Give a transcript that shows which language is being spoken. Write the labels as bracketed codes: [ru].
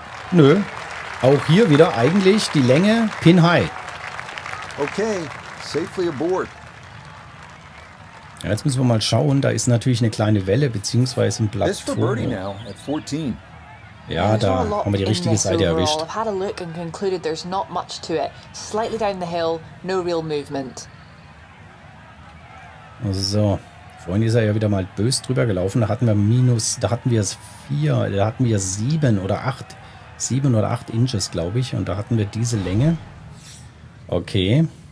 [de] Nö. Auch hier wieder eigentlich die Länge Pin High. [en] Okay, safely aboard. [de] Ja, jetzt müssen wir mal schauen, da ist natürlich eine kleine Welle bzw. ein Blatt vor. [en] For birdie now at 14. [de] Ja, da haben wir die richtige Seite erwischt. [en] I've had a look and concluded there's not much to it. Slightly down the hill, no real movement. [de] So, vorhin ist er ja wieder mal bös drüber gelaufen. Da hatten wir minus, da hatten wir es 4, da hatten wir 7 oder 8. 7 oder 8 Inches, glaube ich. Und da hatten wir diese Länge. Okay.